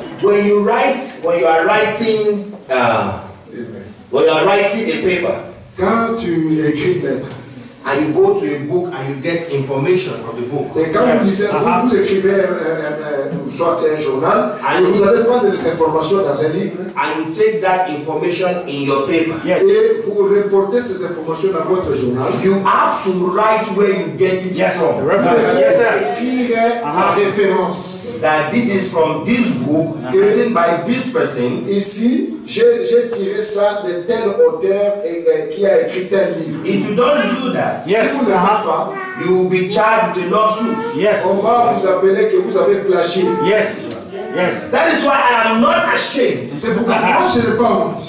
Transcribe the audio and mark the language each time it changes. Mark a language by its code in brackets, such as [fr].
[en] When you write, when you are writing a paper, [fr] quand tu écris lettre, [en] and you go to a book and you get information from the book. [fr] Et quand vous lisez, vous écrivez soit un journal, and vous allez prendre des informations dans un livre. [en] And you take that information in your paper. Yes. [fr] Et vous reportez ces informations dans votre journal. [en] You have to write where you get it from. [fr] Yes, écrire la référence. [en] That this is from this book, written by this person. [fr] Ici, j'ai tiré ça de tel auteur qui a écrit tel livre. [en] If you don't do that, [fr] yes, si vous ne faites pas, [en] you will be charged with lawsuit. Yes. [fr] On va vous appeler que vous avez plagié. [en] Yes. Yes. That is why I am not ashamed. [fr] C'est pourquoi moi je n'ai pas honte.